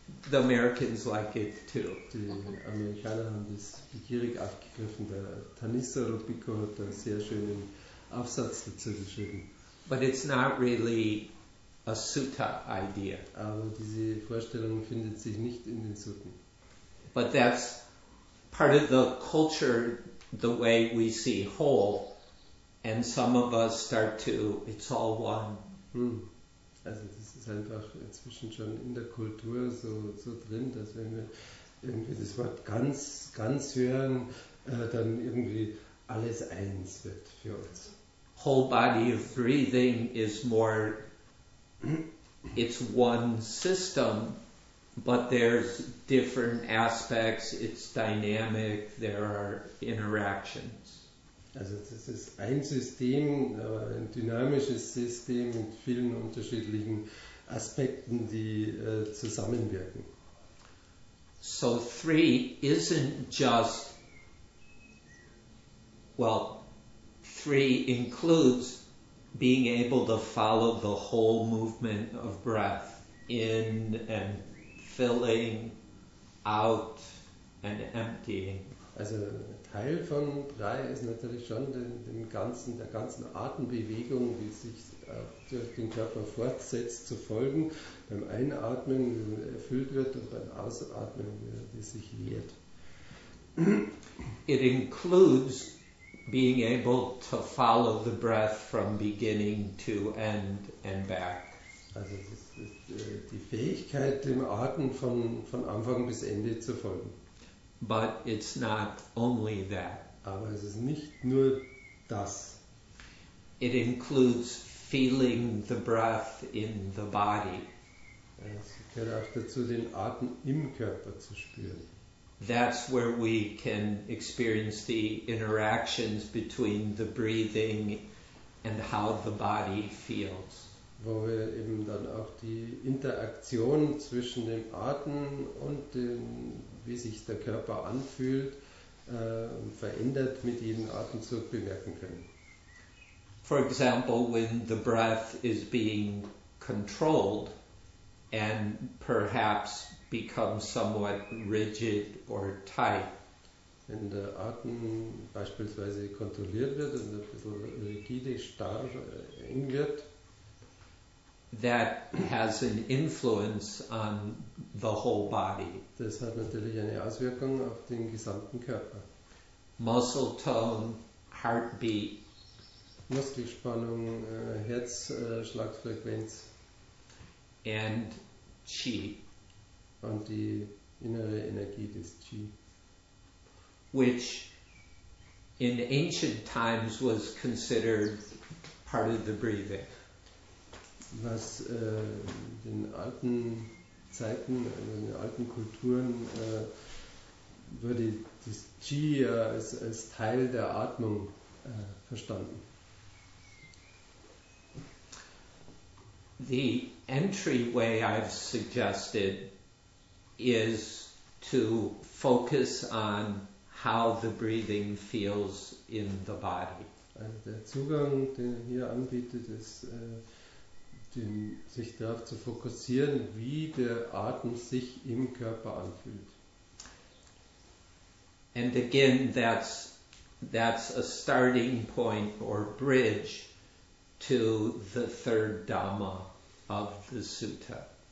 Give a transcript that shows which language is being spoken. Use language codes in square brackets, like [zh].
[en] The Americans like it too. [de] Die Amerikaner haben das begierig aufgegriffen. Der Tanissa Rubico hat da einen sehr schönen Aufsatz dazu geschrieben. [en] But it's not really a sutta idea. [de] Aber diese Vorstellung findet sich nicht in den Sutten. [en] But that's part of the culture, the way we see whole, and some of us start to, it's all one. [de] Also das ist einfach inzwischen schon in der Kultur so, so drin, dass wenn wir irgendwie das Wort ganz, ganz hören, dann irgendwie alles eins wird für uns. [en] Whole body of breathing is more, it's one system, but there's different aspects, it's dynamic, there are interactions. [de] Also das ist ein System, aber ein dynamisches System mit vielen unterschiedlichen Aspekten, die zusammenwirken. [en] So three isn't just, well, three includes being able to follow the whole movement of breath in and filling, out and emptying. [de] Also Teil von drei ist natürlich schon dem ganzen, der ganzen Atembewegung, die sich durch den Körper fortsetzt, zu folgen. Beim Einatmen erfüllt wird und beim Ausatmen, die sich leert. [en] It includes being able to follow the breath from beginning to end and back. [de] Also das ist die Fähigkeit, dem Atem von Anfang bis Ende zu folgen. [en] But it's not only that. [de] Aber es ist nicht nur das. [en] It includes feeling the breath in the body. [de] Es gehört auch dazu, den Atem im Körper zu spüren. [en] That's where we can experience the interactions between the breathing and how the body feels. [de] Wo wir eben dann auch die Interaktion zwischen dem Atem und dem, wie sich der Körper anfühlt, verändert mit jedem Atemzug bemerken können. [en] For example, when the breath is being controlled and perhaps becomes somewhat rigid or tight. [de] Wenn der Atem beispielsweise kontrolliert wird und ein bisschen rigide, starr, eng wird, [en] that has an influence on the whole body. [de] Das hat natürlich eine Auswirkung auf den gesamten Körper. [en] Muscle tone, heartbeat. [de] Muskelspannung, Herzschlagfrequenz. [en] And qi. [de] Und die innere Energie des qi. [en] Which in ancient times was considered part of the breathing. [de] Was in den alten Zeiten, in den alten Kulturen, wurde das Qi als Teil der Atmung verstanden. [en] The entryway I've suggested is to focus on how the breathing feels in the body. [de] Also der Zugang, den er hier anbietet, ist sich darauf zu fokussieren, wie der Atem sich im Körper anfühlt. [en] And again, that's a starting point or bridge to the third Dhamma of the Sutta.